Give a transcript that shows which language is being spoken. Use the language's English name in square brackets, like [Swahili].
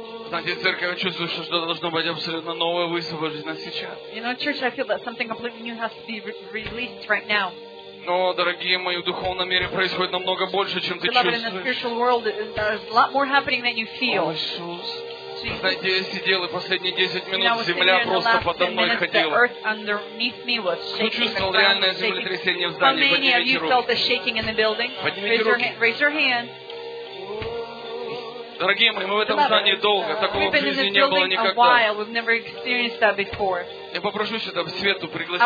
[Russian] Церковь, я чувствую, что что-то должно быть абсолютно новое высвобождено сейчас. [English] You know, church, I feel that something completely new has to be released right now. [Russian] О, дорогие мои, в духовном мире происходит намного больше, чем ты чувствуешь. [English] Beloved, in the spiritual world, there's a lot more happening than you feel. [Russian] О, Иисус. Знаете, я сидел, и последние 10 минут земля просто подо мной ходила. [English] The earth underneath me was shaking. [Russian] Кто чувствовал реальное землетрясение в здании? [English] How many of you felt the shaking in the building? Raise your hand. [Russian] Дорогие мои, мы в этом здании долго. Такого в жизни не было никогда. [English] We've never experienced that before. [Russian] Я попрошу сюда Свету пригласить.